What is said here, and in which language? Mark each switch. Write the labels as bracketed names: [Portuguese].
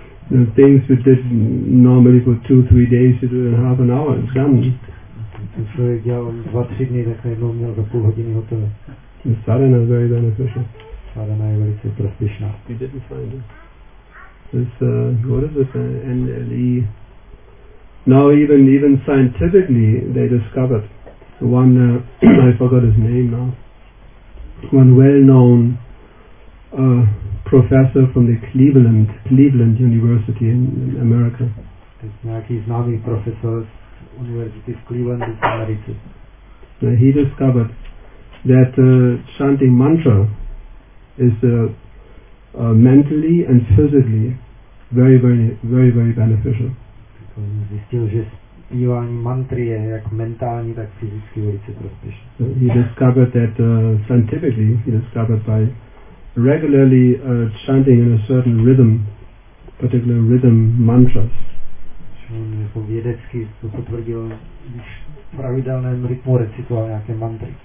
[English] The things you did normally for 2-3 days, you do in half an hour, it's done. [Czech] To člověk dělal 2-3 dny, tak najednou měl za půl hodiny hotové. [English] The sadhana is very beneficial. [Czech] Sadhana je velice prospěšná. [English] You didn't find it. This, what is it, NLE? Now even scientifically, they discovered one, I forgot his name now, one well-known professor from the Cleveland University in America. [Czech] Nějaký známý profesor z [English] University of Cleveland in America. So he discovered that chanting mantra is mentally and physically very, very, very, very beneficial. [Czech] Zjistil, že zpívání mantry je jak mentální, tak fyzicky velice prospěšné. [English] So he discovered that scientifically, he discovered by regularly chanting in a certain rhythm, particular rhythm mantras. [Czech] On jako vědecky to potvrdil, když v pravidelném rytmu recitoval nějaké mantry.